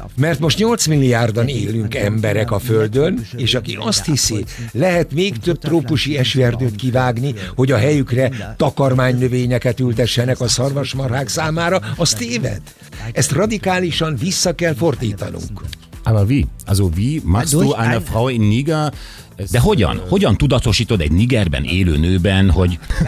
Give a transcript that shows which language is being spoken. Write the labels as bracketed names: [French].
[Hungarian] Mert most 8 milliárdan élünk emberek a Földön, és aki azt hiszi, lehet még több trópusi esőerdőt kivágni, hogy a helyükre takarmánynövényeket ültessenek a szarvasmarhák számára, az téved. Ezt radikálisan vissza kell fordítanunk. [German] Aber wie? Also wie machst du einer Frau in Niger [Hungarian] De hogyan? Hogyan tudatosítod egy nigerben élő nőben, hogy...